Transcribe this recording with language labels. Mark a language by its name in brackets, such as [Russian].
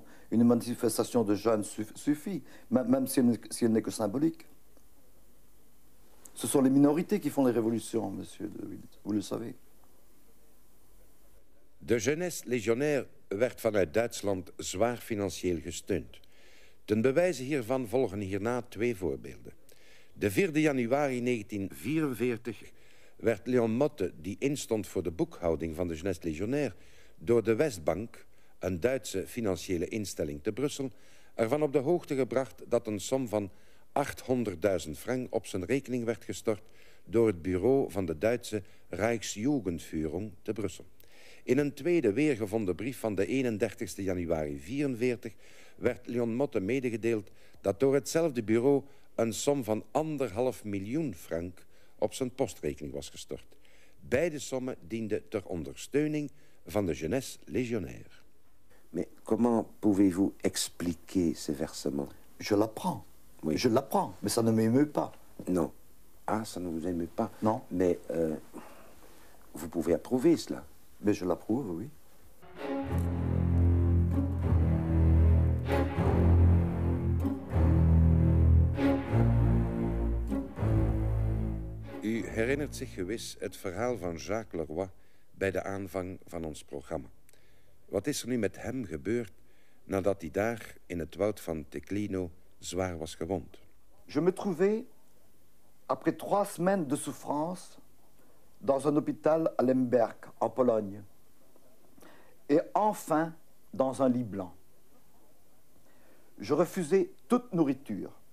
[French] Une manifestation de jeunes suffit, même si elle n'est que symbolique. Ce sont les minorités qui font les révolutions, monsieur de Wild, vous le savez. [Dutch] De jeunesse légionnaire werd vanuit Duitsland zwaar financieel gesteund. Ten bewijze hiervan volgen hierna twee voorbeelden. De 4 januari 1944 werd Leon Motte, die instond voor de boekhouding van de jeunesse légionnaire, door de Westbank, een Duitse financiële instelling te Brussel, ervan op de hoogte gebracht dat een som van 800.000 frank op zijn rekening werd gestort door het bureau van de Duitse Rijksjugendführung te Brussel. In een tweede weergevonden brief van de 31 januari 1944 werd Leon Motte medegedeeld dat door hetzelfde bureau een som van 1,5 miljoen frank op zijn postrekening was gestort. Beide sommen dienden ter ondersteuning van de jeunesse légionnaire. [French] Mais comment pouvez-vous expliquer ces versements? Je l'apprends. Oui. Je l'apprends, mais ça ne m'émeut pas. Non. Ah, ça ne vous émeut pas? Non. Mais vous pouvez approuver cela. Mais je l'approuve, oui. [Dutch] U herinnert zich gewis het verhaal van Jacques Leroy bij de aanvang van ons programma. Wat is er nu met hem gebeurd nadat hij daar in het woud van Teclino zwaar was gewond? [French] Je me trouvais, après trois semaines de souffrance, dans un hôpital à Lemberg, en Pologne. Et enfin, dans un lit blanc. Je refusais toute nourriture.